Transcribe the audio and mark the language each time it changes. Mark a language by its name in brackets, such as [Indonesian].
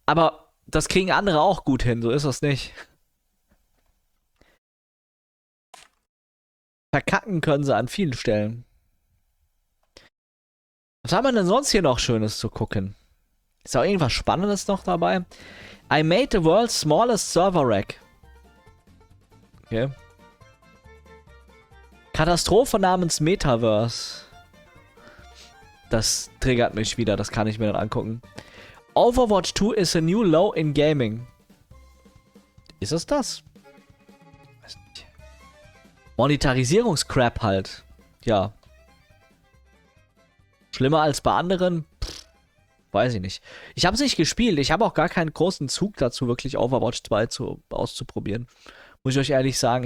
[German] Aber das kriegen andere auch gut hin, so ist das nicht. Verkacken können sie an vielen Stellen. Was haben wir denn sonst hier noch Schönes zu gucken? Ist auch irgendwas Spannendes noch dabei? [English] I made the world's smallest server rack. Okay. [German] Katastrophe namens Metaverse. Das triggert mich wieder, das kann ich mir dann angucken. [English] Overwatch 2 is a new low in gaming. [German] Ist es das? Weiß nicht. Monetarisierungscrap halt. Ja. Schlimmer als bei anderen? Pff, weiß ich nicht. Ich habe es nicht gespielt. Ich habe auch gar keinen großen Zug dazu, wirklich Overwatch 2 auszuprobieren. Muss ich euch ehrlich sagen.